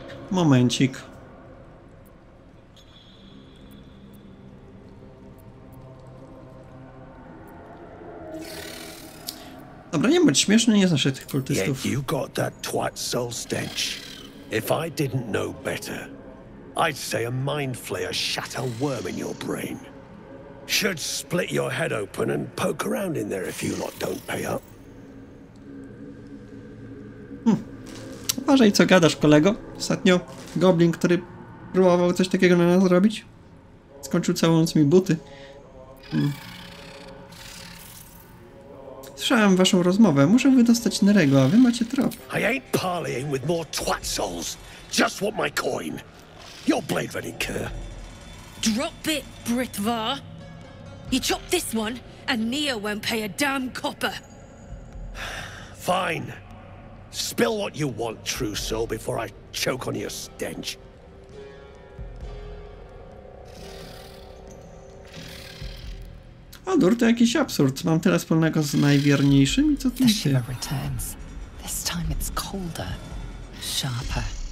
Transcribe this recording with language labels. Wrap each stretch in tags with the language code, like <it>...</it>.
<pl>Momencik. Dobra, nie bądź śmieszny, nie znoszę tych kultystów.</pl> <en>Yeah, you got that twat soul stench. If I didn't know better, I'd say a mind flayer shat a worm in your brain. Should split your head open and poke around in there if you lot don't pay up.</en> <pl>Uważaj, co gadasz, kolego. Ostatnio goblin, który próbował coś takiego na nas zrobić, skończył całą noc mi buty. Słyszałem waszą rozmowę. Muszę wydostać Nerego, a wy macie trop.</pl> <en>I ain't parleying with more twat souls. Just want my coin. Your blade ready, Kerr. Drop it, Brithvar. You chop this one, and Nia won't pay a damn copper. Fine. Spill what you want, true soul, before I choke on your stench.</en> <pl>Adur, to jakiś absurd. Mam tyle wspólnego z najwierniejszym i co ty?</pl> <en>The shiver returns. This time it's colder, sharper.</en>